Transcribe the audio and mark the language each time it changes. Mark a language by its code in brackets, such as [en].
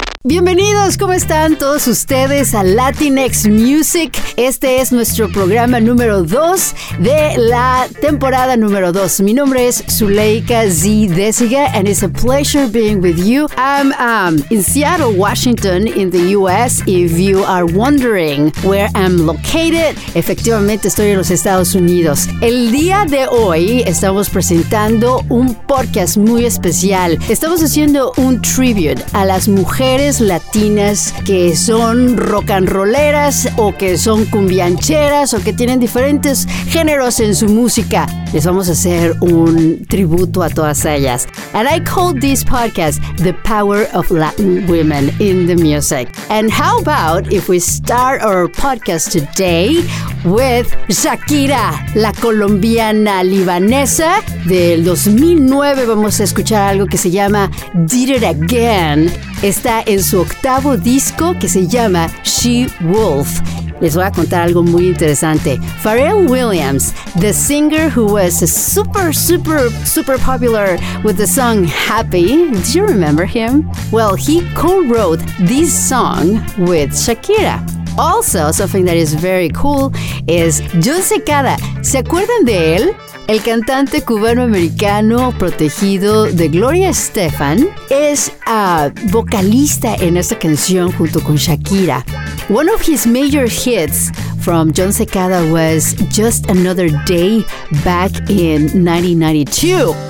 [es] Bienvenidos, ¿cómo están todos ustedes a Latinx Music? Este es nuestro programa número 2 de la temporada número 2. Mi nombre es Zuleika Z. [en] Desiga, and it's a pleasure being with you. I'm in Seattle, Washington, in the U.S. If you are wondering where I'm located, [es] efectivamente estoy en los Estados Unidos. El día de hoy estamos presentando un podcast muy especial. Estamos haciendo un tribute a las mujeres latinas que son rock and rolleras o que son cumbiancheras o que tienen diferentes géneros en su música. Les vamos a hacer un tributo a todas ellas. [en] And I call this podcast The Power of Latin Women in the Music. And how about if we start our podcast today with Shakira, [es] la colombiana libanesa. Del 2009 vamos a escuchar algo que se llama Did It Again. Está en su octavo disco que se llama She Wolf. Les voy a contar algo muy interesante. [en] Pharrell Williams, the singer who was super, super, super popular with the song Happy. Do you remember him? Well, he co-wrote this song with Shakira. Also, something that is very cool is John Secada. [es] ¿Se acuerdan de él? El cantante cubano-americano protegido de Gloria Estefan es vocalista en esta canción junto con Shakira. [en] One of his major hits from John Secada was Just Another Day back in 1992.